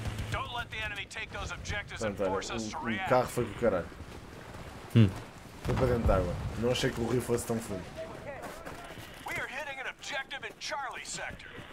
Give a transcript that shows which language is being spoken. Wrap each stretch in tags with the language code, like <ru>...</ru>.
<en>Don't let the enemy take those objectives and force us to react.</en> <pt>O carro foi com o caralho. Foi para dentro d'água. Não achei que o rio fosse tão fundo.</pt> <en>We are hitting an objective in Charlie sector.</en>